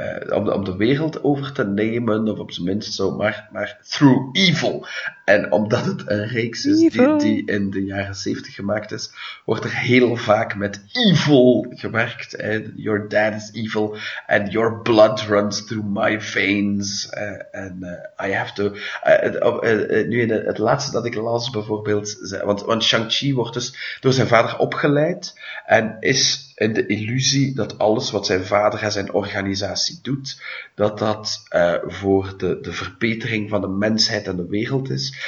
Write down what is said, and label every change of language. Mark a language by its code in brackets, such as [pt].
[nl] om de wereld over te nemen, of op zijn minst zo, maar [en] through evil. [nl] En omdat het een reeks is die in de jaren 70 gemaakt is, wordt er heel vaak met evil gewerkt. [en] Your dad is evil, and your blood runs through my veins. I have to... [nl] nu in het laatste dat ik las bijvoorbeeld, want Shang-Chi wordt dus door zijn vader opgeleid, en is in de illusie dat alles wat zijn vader en zijn organisatie doet, dat voor de verbetering van de mensheid en de wereld is.